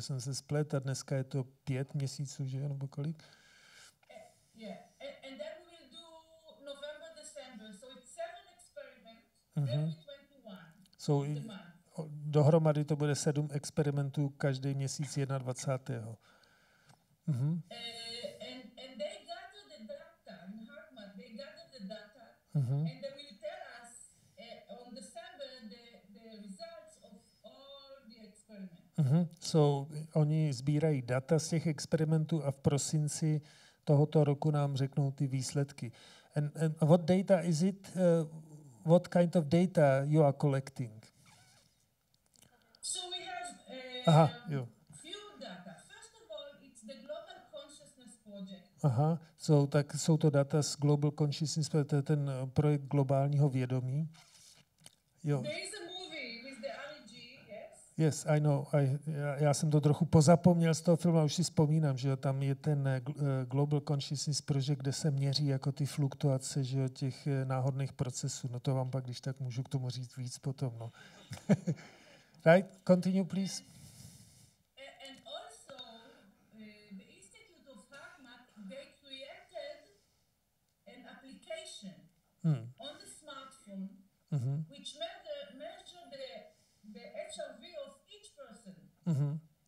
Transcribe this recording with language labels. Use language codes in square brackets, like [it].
[cs] jsem se splet a dneska je to 5 měsíců, že jo, nebo kolik? [en] And then we'll do November, December, so it's 7 experiments. [cs] So, dohromady to bude 7 experimentů každý měsíc 21. [en] And they gathered the data in Heartmath, they gathered the data and they will tell us on December the results of all the experiments. [cs] So, oni sbírají data z těch experimentů a v prosinci tohoto roku nám řeknou ty výsledky. [en] And what data is it? What kind of data you are collecting? So we have few data. First of all, it's the Global Consciousness Project. [cs] Tak jsou to data z Global Consciousness, to je ten projekt globálního vědomí. Jo. [en] There is a movie with the RG, yes? Yes, I know. [cs] Já jsem to trochu pozapomněl z toho filmu, a už si vzpomínám, že jo, tam je ten Global Consciousness Project, kde se měří jako ty fluktuace, že jo, těch náhodných procesů. No to vám pak, když tak můžu k tomu říct víc potom, no. [en] Right, continue, please. And also, the Institute of Heartmath, they created an application on the smartphone, which measure the HRV of each person.